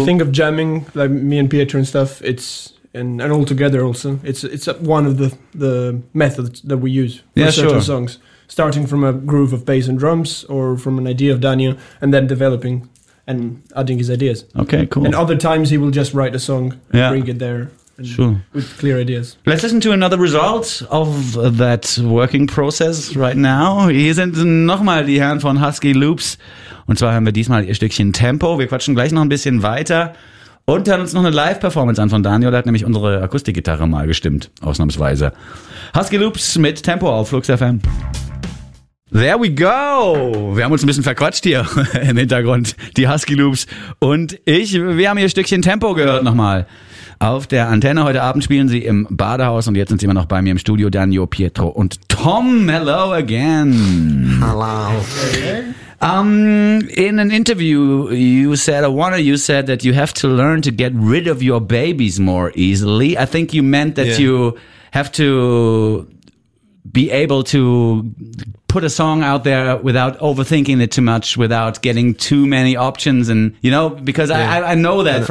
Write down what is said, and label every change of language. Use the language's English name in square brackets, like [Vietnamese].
[English] The thing of jamming, like me and Pietro and stuff, it's and all together also, it's one of the methods that we use for certain songs. Starting from a groove of bass and drums or from an idea of Daniel and then developing and adding his ideas. Okay, cool. And other times he will just write a song and bring it there and with clear ideas. Let's listen to another result of that working process right now. [German] Hier sind nochmal die Herren von Husky Loops. Und zwar haben wir diesmal ihr Stückchen Tempo. Wir quatschen gleich noch ein bisschen weiter und hören uns noch eine Live-Performance an von Daniel. Der hat nämlich unsere Akustikgitarre mal gestimmt, ausnahmsweise. Husky Loops mit Tempo auf Flux FM. [English] There we go. [German] Wir haben uns ein bisschen verquatscht hier im Hintergrund, die Husky Loops und ich. Wir haben hier ein Stückchen Tempo gehört nochmal auf der Antenne. Heute Abend spielen sie im Badehaus und jetzt sind sie immer noch bei mir im Studio, Daniel, Pietro und Tom. [English] Hello again. Hello. In an interview, you said that you have to learn to get rid of your babies more easily. I think you meant that you have to be able to put a song out there without overthinking it too much, without getting too many options, and you know, because I know that